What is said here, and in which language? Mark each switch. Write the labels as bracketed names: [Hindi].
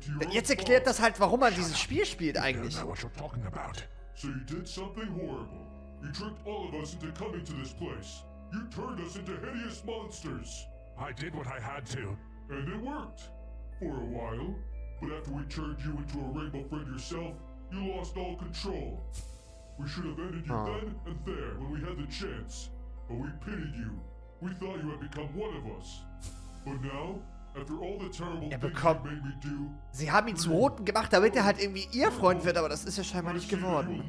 [German] Jetzt erklärt das halt, warum er dieses Spiel spielt eigentlich. [English] So you did something horrible. You tricked all of us into coming to this place. You turned us into hideous monsters. I did what I had to. And it worked. For a while. But after we turned you into a Rainbow Friend yourself, you lost all control. We should have ended you then and there when we had the chance. But we pitied you. We thought you had become one of us. But now, after all the terrible things you made me do, [German] sie haben ihn zu Roten gemacht, damit halt irgendwie ihr Freund wird, aber das ist ja scheinbar nicht geworden.